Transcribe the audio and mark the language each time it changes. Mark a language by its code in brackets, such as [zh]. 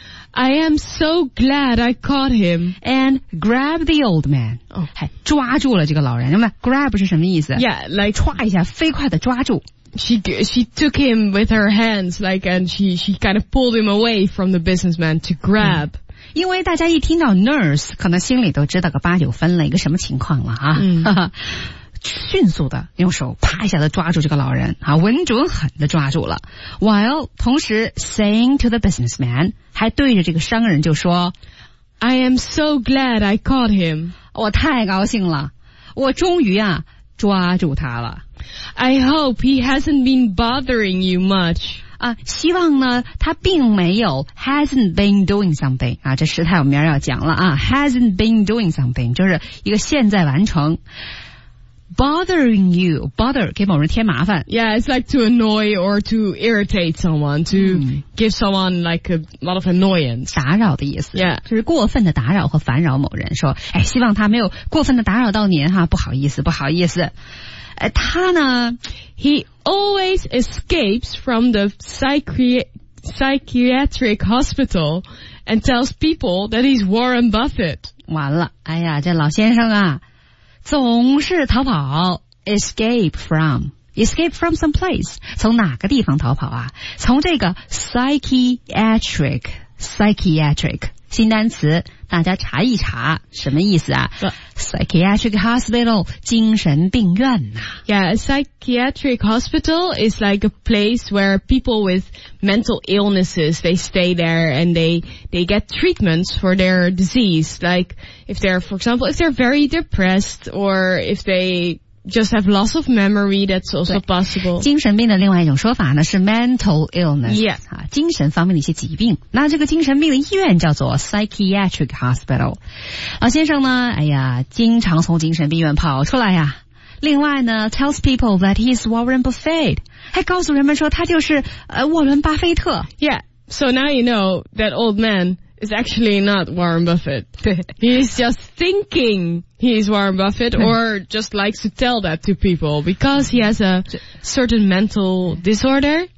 [en] I am so glad I caught him. And grab the old man. Oh. [zh] 抓住了这个老人。Grab 是什么意思？ [en] Yeah, like, [zh] 抓一下，飞快地抓住。 [en] She took him with her hands, like, and she kind of pulled him away from the businessman to grab. [zh] 因为大家一听到 nurse, 可能心里都知道个八九分了一个什么情况了啊。迅速的用手啪一下子抓住这个老人啊，稳准狠的抓住了。 [en] While [zh] 同时 [en] saying to the businessman, [zh] 还对着这个商人就说 [en] I am so glad I caught him. [zh] 我太高兴了，我终于啊抓住他了。 [en] I hope he hasn't been bothering you much. [zh] 啊，希望呢他并没有 [en] hasn't been doing something. [zh] 啊，这时态我们明儿要讲了啊， [en] hasn't been doing something, [zh] 就是一个现在完成。 [en] Bothering you, [zh] bother 给某人添麻烦。 [en] Yeah, it's like to annoy or to irritate someone, to give someone like a lot of annoyance. [zh] 打扰的意思。 Yeah. 就是过分的打扰和烦扰某人，说，哎，希望他没有过分的打扰到您哈，不好意思，不好意思。他呢 [en] ,he always escapes from the psychiatric hospital and tells people that he's Warren Buffett. [zh] 完了，哎呀，这老先生啊。总是逃跑 [en] escape from some place， [zh] 从哪个地方逃跑啊？从这个 psychiatric 新单词，大家查一查什么意思啊？ Psychiatric hospital 精神病院啊。 [en] Yeah, a psychiatric hospital is like a place where people with mental illnesses, they stay there and they get treatments for their disease. Like if they're, for example, if they're very depressed or if they just have loss of memory, that's also possible. [zh] 精神病的另外一种说法呢是 mental illness. Yeah. 啊，精神方面的一些疾病。那这个精神病的医院叫做 psychiatric hospital. 老先生呢，哎呀，经常从精神病院跑出来呀。另外呢 [en] ,tells people that he's Warren Buffett. [zh] 还告诉人们说他就是沃伦巴菲特。 Yeah. [en] So now you know that old man is actually not Warren Buffett. He's just thinking he's Warren Buffett or just likes to tell that to people because he has a certain mental disorder.